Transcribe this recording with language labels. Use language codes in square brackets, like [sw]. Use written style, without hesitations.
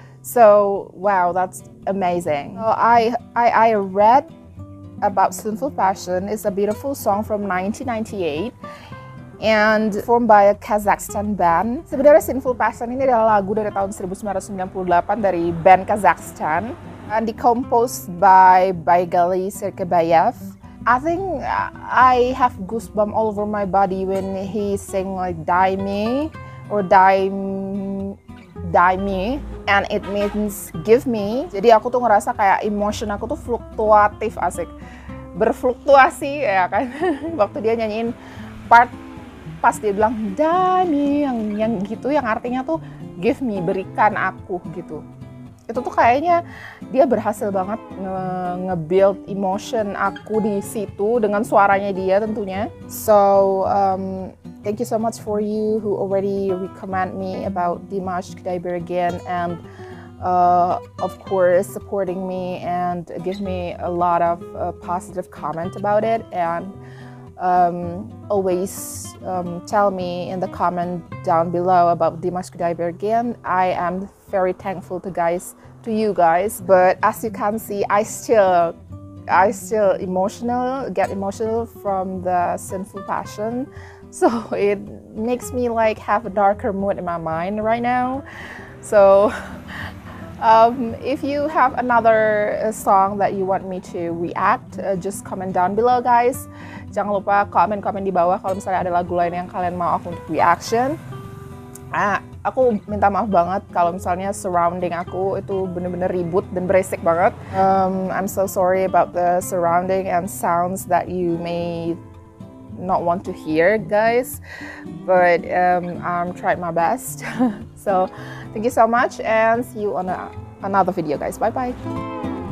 [en] So wow, that's amazing. So I read about Sinful Passion. It's a beautiful song from 1998. And formed by a Kazakhstan band. [id] Sebenarnya Sinful Passion ini adalah lagu dari tahun 1998 dari band Kazakhstan. [en] And dicomposed by Baigali Serkebayev. I think I have goosebumps all over my body when he sing like "Die Me" or "Die Me", and it means "Give Me". [id] Jadi aku tuh ngerasa kayak emotion aku tuh fluktuatif, asik, berfluktuasi ya kan. Waktu dia nyanyiin part pas dia bilang "Dani" yang gitu, yang artinya tuh "give me", berikan aku gitu. Itu tuh kayaknya dia berhasil banget nge-build emotion aku di situ dengan suaranya dia tentunya. [en] So thank you so much for you who already recommend me about Dimash Quidaibergen and of course supporting me and give me a lot of positive comment about it, and always tell me in the comment down below about Dimash Quidaibergen. I am very thankful to you guys, but as you can see, I still get emotional from the Sinful Passion, so it makes me like have a darker mood in my mind right now. So if you have another song that you want me to react, just comment down below, guys. [id] Jangan lupa komen di bawah kalau misalnya ada lagu lain yang kalian mau aku untuk reaction. Aku minta maaf banget kalau misalnya surrounding aku itu benar-benar ribut dan berisik banget. [en] I'm so sorry about the surrounding and sounds that you may not want to hear, guys. But I'm trying my best. So thank you so much and see you on another video, guys. Bye bye.